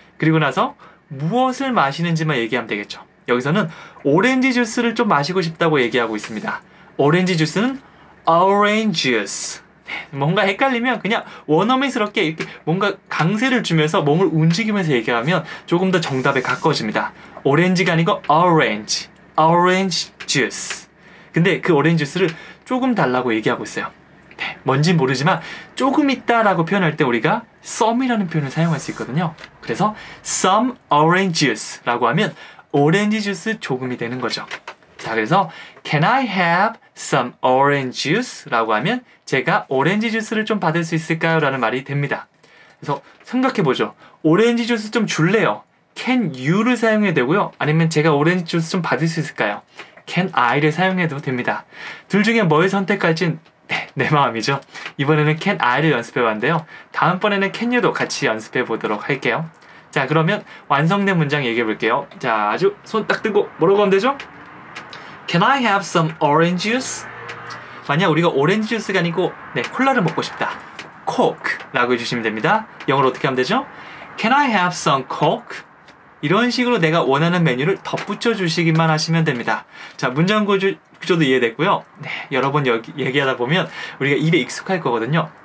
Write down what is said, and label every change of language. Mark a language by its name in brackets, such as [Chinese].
[Korean] 그리고 나서 무엇을 마시는지만 얘기하면 되겠죠. 여기서는 오렌지 주스를 좀 마시고 싶다고 얘기하고 있습니다. 오렌지 주스는 orange juice. 뭔가 헷갈리면 그냥 원어민스럽게 이렇게 뭔가 강세를 주면서 몸을 움직이면서 얘기하면 조금 더 정답에 가까워집니다. 오렌지가 아니고 orange, orange juice. 근데 그 오렌지 주스를 조금 달라고 얘기하고 있어요. 네, 뭔지 모르지만 조금 있다 라고 표현할 때 우리가 some이라는 표현을 사용할 수 있거든요. 그래서 [English] some orange juice [Korean] 라고 하면 오렌지 주스 조금이 되는 거죠. [English] 자, 그래서 Can I have some orange juice? [Korean] 라고 하면 제가 오렌지 주스를 좀 받을 수 있을까요? 라는 말이 됩니다. 그래서 생각해보죠. 오렌지 주스 좀 줄래요? [English] Can you [Korean] 를 사용해도 되고요. 아니면 제가 오렌지 주스 좀 받을 수 있을까요? [English] Can I [Korean] 를 사용해도 됩니다. 둘 중에 뭘 선택할진 내 마음이죠. 이번에는 [English] Can I [Korean] 를 연습해봤는데요. 다음번에는 [English] Can you [Korean] 도 같이 연습해보도록 할게요. 자, 그러면 완성된 문장 얘기해볼게요. 자, 아주 손 딱 뜨고 뭐라고 하면 되죠? [English] Can I have some orange juice? [Korean] 만약 우리가 오렌지 주스가 아니고 네, 콜라를 먹고 싶다. Coke 라고 해주시면 됩니다. 영어로 어떻게 하면 되죠? [English] Can I have some Coke? [Korean] 이런 식으로 내가 원하는 메뉴를 덧붙여 주시기만 하시면 됩니다. 자, 문장 구조도 이해됐고요. 네, 여러 번 얘기하다 보면 우리가 입에 익숙할 거거든요.